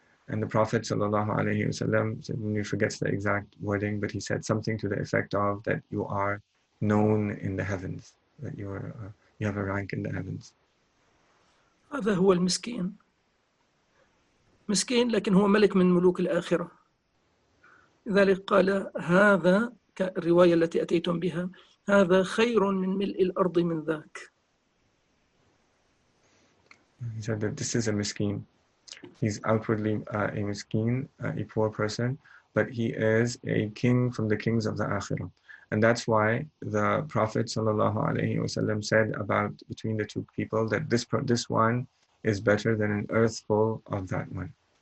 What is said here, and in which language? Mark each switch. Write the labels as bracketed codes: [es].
[en] And the Prophet sallallahu alaihi wasallam, he forgets the exact wording, but he said something to the effect of that you are known in the heavens, that you have a rank in the heavens. [ar] هذا هو المسكين، مسكين لكن هو ملك من ملوك الآخرة. لذلك قال هذا، كالرواية التي أتيتم بها، هذا خير من ملء الأرض من ذاك. [en] He said that this is a miskin. He's outwardly a miskin, a poor person, but he is a king from the kings of the Akhirah. And that's why the Prophet sallallahu alaihi wasallam said about between the two people that this one is better than an earth full of that one.